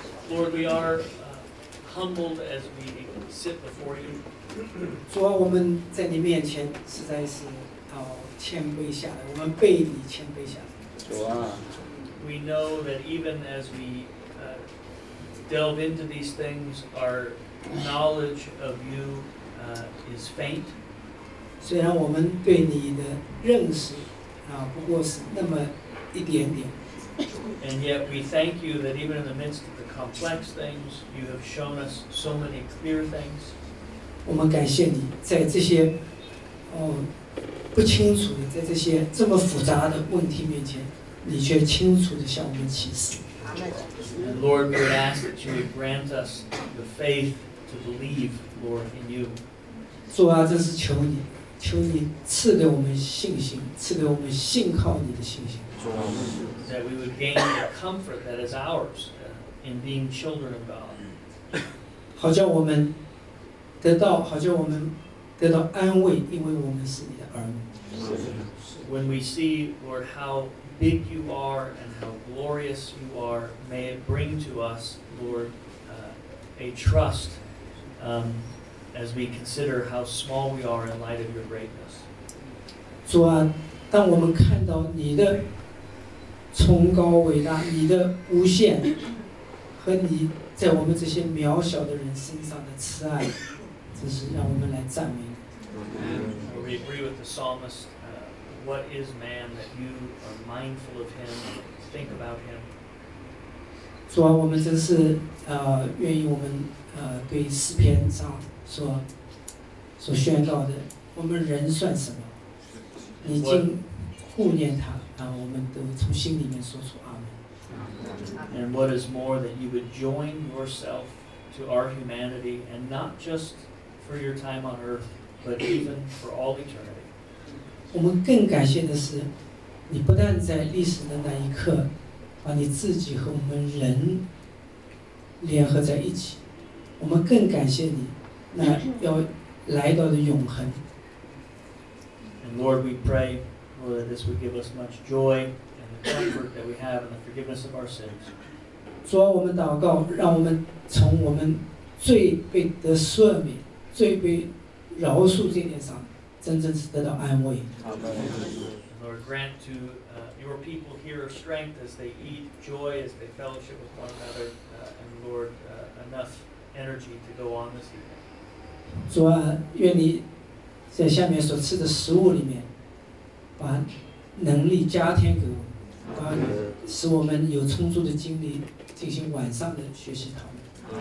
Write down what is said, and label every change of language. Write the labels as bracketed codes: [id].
[en] Lord, we are humbled as we sit before you. [zh] 主啊，我们在你面前实在是要谦卑下来，我们被你谦卑下来。主啊， [en] we know that even as we delve into these things, our knowledge of you is faint. [zh] 虽然我们对你的认识啊，不过是那么一点点。 [en] And yet we thank you that even in the midst of the complex things, you have shown us so many clear things. [zh] 我们感谢你在这些不清楚的，在这些这么复杂的问题面前，你却清楚地向我们启示。 [en] And Lord, we ask that you would grant us the faith to believe, Lord, in you. [zh] 主啊，这是求你，求你赐给我们信心，赐给我们信靠你的信心。主啊， [en] that we would gain the comfort that is ours in being children of God. [zh] 好叫我们得到，好叫我们得到安慰，因为我们是你的儿女。 [en] When we see, Lord, how big you are and how glorious you are, may it bring to us, Lord, a trust as we consider how small we are in light of your greatness. [zh] 主啊，当我们看到你的崇高伟大，你的无限，和你在我们这些渺小的人身上的慈爱，真是让我们来赞美你。 [en] We agree with the psalmist. What is man that you are mindful of him, think about him? [zh] 主啊，我们真是愿意我们对诗篇上所宣告的，我们人算什么？你竟顾念他。我们都从心里面说出阿们。 [en] And what is more, that you would join yourself to our humanity, and not just for your time on earth, but even for all eternity. [zh] 我们更感谢的是，你不但在历史的那一刻，把你自己和我们人联合在一起，我们更感谢你，那要来到的永恒。 [en] And Lord, we pray. Lord, that this would give us much joy and the comfort that we have and the forgiveness of our sins. [zh] 主啊，我们祷告，让我们从我们罪被得赦免、罪被饶恕这点上，真正是得到安慰。 [en] Amen. Lord, grant to your people here strength as they eat, joy as they fellowship with one another, and Lord, enough energy to go on this evening. [zh] 主啊，愿你在下面所吃的食物里面。把能力加添给我们，使我们有充足的精力进行晚上的学习讨论。